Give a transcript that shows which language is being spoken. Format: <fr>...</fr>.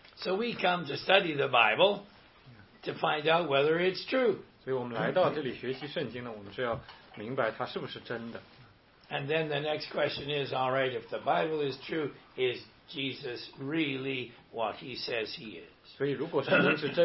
<en>So we come to study the Bible to find out whether it's true.</en> <zh>所以我们来到这里学习圣经呢我们是要明白它是不是真的。</zh> <en>And then the next question is, all right, if the Bible is true, is Jesus really what he says he is?</en>